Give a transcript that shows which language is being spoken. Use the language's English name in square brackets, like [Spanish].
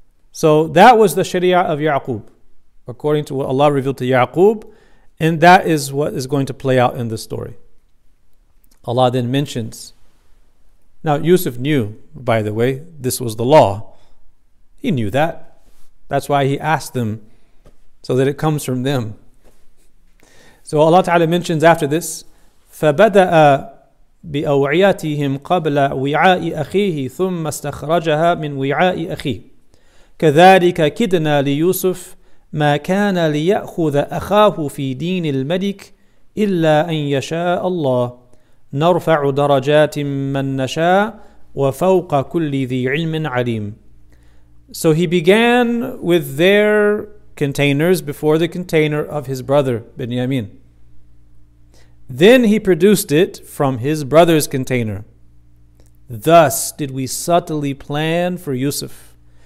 [English] So that was the Sharia of Ya'qub, according to what Allah revealed to Ya'qub. And that is what is going to play out in the story. Allah then mentions, now Yusuf knew, by the way, this was the law. He knew that. That's why he asked them, so that it comes from them. So Allah Ta'ala mentions after this, [Arabic] فَبَدَأَ بِأَوْعِيَتِهِمْ قَبْلَ وِعَاءِ أَخِيهِ ثُمَّ اسْتَخْرَجَهَا مِنْ وِعَاءِ أَخِيهِ كَذَلِكَ كِدْنَا لِيُوسُفْ مَا كَانَ لِيَأْخُذَ أَخَاهُ فِي دِينِ الْمَلِكِ إِلَّا أَنْ يَشَاءَ اللَّهُ نرفع درجات من نشاء وفوق كل ذي علم عليم. [English] So he began with their containers before the container of his brother Benjamin. Then he produced it from his brother's container. Thus did we subtly plan for Yusuf.